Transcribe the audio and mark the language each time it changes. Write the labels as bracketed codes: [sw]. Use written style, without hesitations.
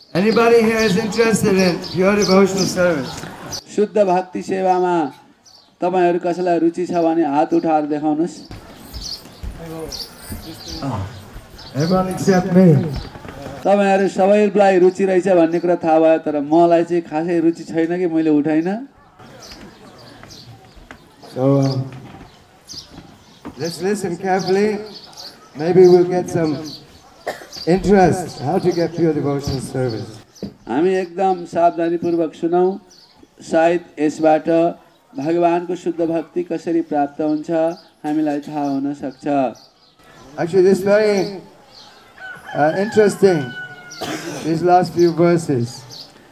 [en] Anybody here is interested in pure devotional service? [ne] शुद्ध भक्ति सेवामा तपाईहरु कसलाई रुचि छ भने हात उठाएर देखाउनुस्. [en] Everyone except me. [ne] तपाईहरु सबैलाई रुचि रहेछ भन्ने कुरा थाहा भयो तर मलाई चाहिँ खासै रुचि छैन कि मैले उठाइन. [en] So Let's listen carefully. Maybe we'll get some interest. How to get pure devotional service. [ne] हामी एकदम सावधानीपूर्वक सुनौ शायद यसबाट भगवानको शुद्ध भक्ति कसरी प्राप्त हुन्छ हामीलाई थाहा हुन सक्छ [en] Actually this is very interesting these last few verses